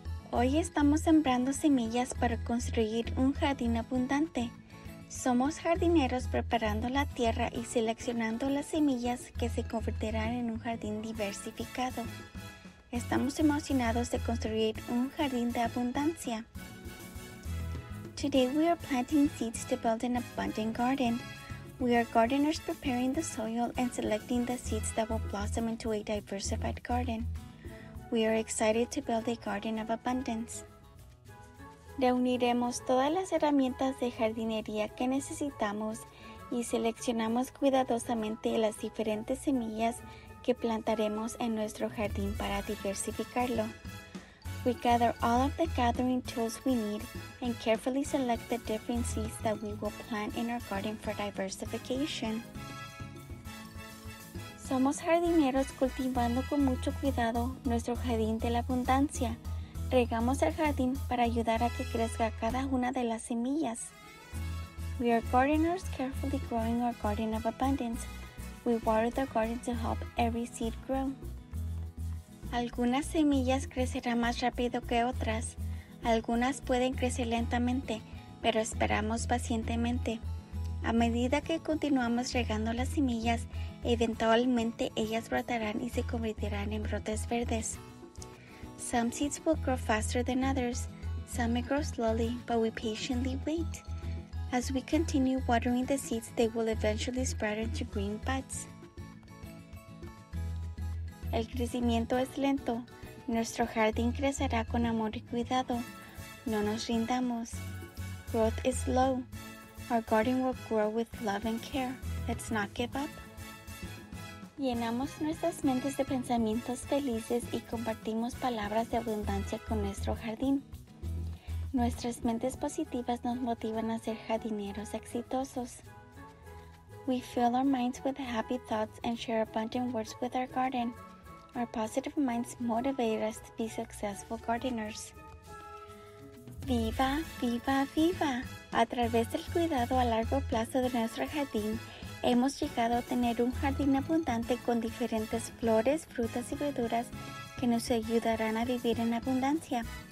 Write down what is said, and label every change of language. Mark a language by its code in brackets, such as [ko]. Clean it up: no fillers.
[es] Hoy estamos sembrando semillas para construir un jardín abundante. Somos jardineros preparando la tierra y seleccionando las semillas que se convertirán en un jardín diversificado. Estamos emocionados de construir un jardín de abundancia. [en] Today we are planting seeds to build an abundant garden. We are gardeners preparing the soil and selecting the seeds that will blossom into a diversified garden. We are excited to build a garden of abundance. [es] Reuniremos todas las herramientas de jardinería que necesitamos y seleccionamos cuidadosamente las diferentes semillas que plantaremos en nuestro jardín para diversificarlo. [en] We gather all of the gathering tools we need and carefully select the different seeds that we will plant in our garden for diversification. [es] Somos jardineros cultivando con mucho cuidado nuestro jardín de la abundancia. Regamos el jardín para ayudar a que crezca cada una de las semillas. [en] We are gardeners carefully growing our garden of abundance. We water the garden to help every seed grow. [es] Algunas semillas crecerán más rápido que otras. Algunas pueden crecer lentamente, pero esperamos pacientemente. A medida que continuamos regando las semillas, eventualmente ellas brotarán y se convertirán en brotes verdes. [en] Some seeds will grow faster than others. Some may grow slowly, but we patiently wait. As we continue watering the seeds, they will eventually sprout into green buds. [es] El crecimiento es lento. Nuestro jardín crecerá con amor y cuidado. No nos rindamos. [en] Growth is slow. Our garden will grow with love and care. Let's not give up. [es] Llenamos nuestras mentes de pensamientos felices y compartimos palabras de abundancia con nuestro jardín. Nuestras mentes positivas nos motivan a ser jardineros exitosos. [en] We fill our minds with happy thoughts and share abundant words with our garden. Our positive minds motivate us to be successful gardeners. [es] ¡Viva, viva, viva! A través del cuidado a largo plazo de nuestro jardín, hemos llegado a tener un jardín abundante con diferentes flores, frutas y verduras que nos ayudarán a vivir en abundancia.